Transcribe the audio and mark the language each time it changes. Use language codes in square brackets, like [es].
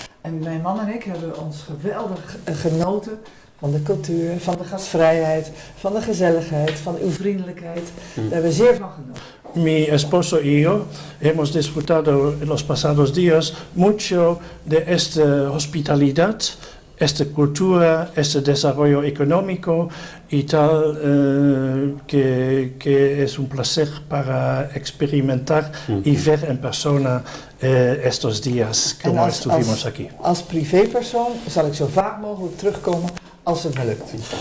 [nl] En mijn man en ik hebben ons geweldig genoten van de cultuur, van de gastvrijheid, van de gezelligheid, van uw vriendelijkheid. Daar hebben we zeer van genoten. [es] Mi esposo y yo hemos disfrutado en los pasados días mucho de esta hospitalidad, esta cultura, este desarrollo económico y tal, que es un placer para experimentar y ver en persona estos días como estuvimos aquí. [nl] Als privé persoon zal ik zo vaak mogelijk terugkomen als het me lukt.